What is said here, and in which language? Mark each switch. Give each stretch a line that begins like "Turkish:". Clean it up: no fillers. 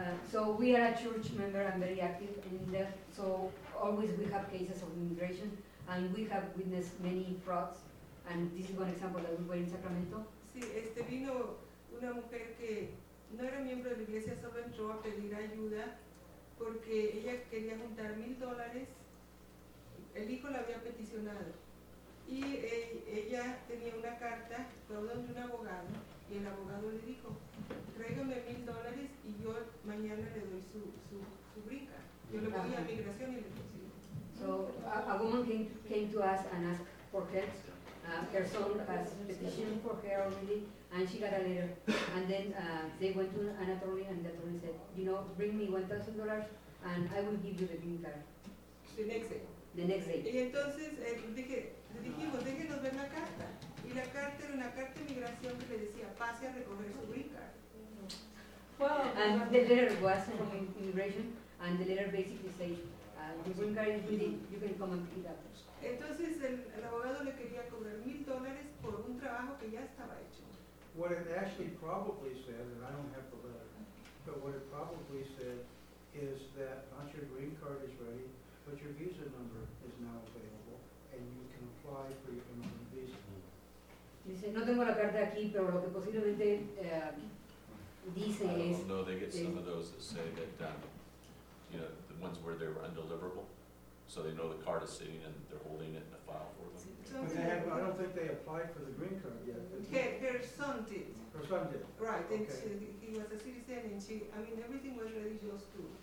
English: So we are a church member and very active in that, so always we have cases of immigration and we have witnessed many frauds. And this is one example that we were in Sacramento.
Spanish: Sí, vino una mujer que no era miembro de la iglesia, solo entró a pedir ayuda porque ella quería juntar $1,000. El hijo la había peticionado. Y ella tenía una carta, perdón, de un abogado, y el abogado le dijo, tráigame $1,000 y yo mañana le doy su brinca. Yo le voy a migración y le consigo.
English: So, a woman came to us and asked for help. Her son has petitioned for her already, and she got a letter. And then they went to an attorney, and the attorney said, you know, bring me $1,000, and I will give you the green card. The next day.
Spanish: Y entonces le dijimos, déjenos ver la carta. Y la carta era una carta de migración que le decía, pase a recoger su green card.
English: Well, and the letter was from immigration, and the letter basically said, the green card is ready, you can come and pick it up.
Spanish: Entonces el abogado le quería cobrar $1,000 por un trabajo que ya estaba hecho.
English: What it actually probably said, and I don't have the letter, but what it probably said is that not your green card is ready, but your visa number is now available, and you can apply for your permanent visa.
Spanish: Dice, no tengo la carta aquí, pero lo que posiblemente dice es...
English: No, they get some of those that say that, you know, the ones where they were undeliverable. So they know the card is sitting and they're holding it in a file for them. I don't think they applied for the green card yet. Her son did. Her son did. Right, okay. And he was a citizen and everything was ready just to.